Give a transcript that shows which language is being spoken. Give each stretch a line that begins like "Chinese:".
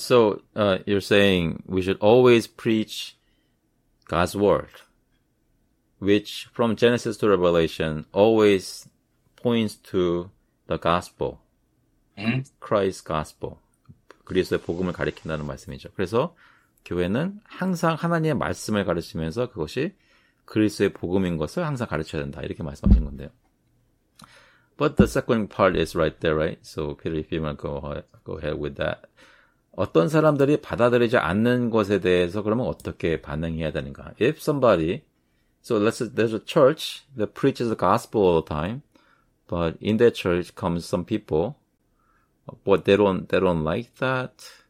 English: So you're saying we should always preach God's word, which from Genesis to Revelation always points to the gospel, Christ's gospel,
Korean: 그리스도의 복음을 가리킨다는 말씀이죠. 그래서 교회는 항상 하나님의 말씀을 가르치면서 그것이 그리스도의 복음인 것을 항상 가르쳐야 된다. 이렇게 말씀하신 건데요.
English: But the second part is right there, right? So Peter, if you want to go ahead with that.
Korean: 어떤 사람들이 받아들이지 않는 것에 대해서 그러면 어떻게 반응해야 되는가?
English: If somebody, so there's a church that preaches the gospel all the time. But in that church comes some people, but they don't like that.